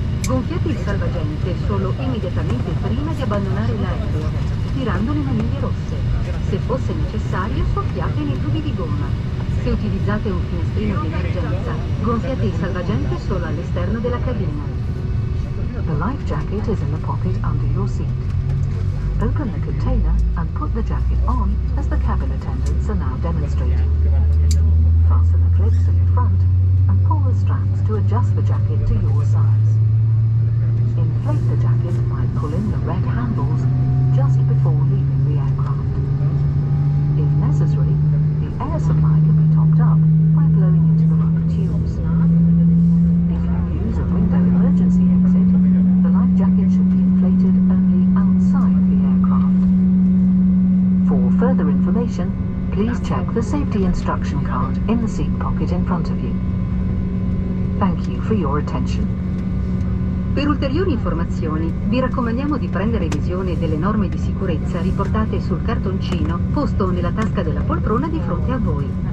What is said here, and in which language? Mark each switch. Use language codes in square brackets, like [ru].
[it] Gonfiate il salvagente solo immediatamente prima di abbandonare l'aereo, tirando le maniglie rosse. Se fosse necessario, soffiate nei tubi di gomma. Se utilizzate un finestrino di emergenza, gonfiate il salvagente solo all'esterno della cabina. [en] The life jacket is in the pocket under your seat. Open the container and put the jacket on as the cabin attendants are now demonstrating. Fasten the clips in the front and pull the straps to adjust the jacket to your size. Inflate the jacket by pulling the red handles just before leaving the aircraft. If necessary, the air supply can be topped up by blowing into the rubber tubes. If you use a window emergency exit, the life jacket should be inflated only outside the aircraft. For further information, please check the safety instruction card in the seat pocket in front of you. Thank you for your attention. [it] Per ulteriori informazioni, vi raccomandiamo di prendere visione delle norme di sicurezza riportate sul cartoncino posto nella tasca della poltrona di fronte a voi.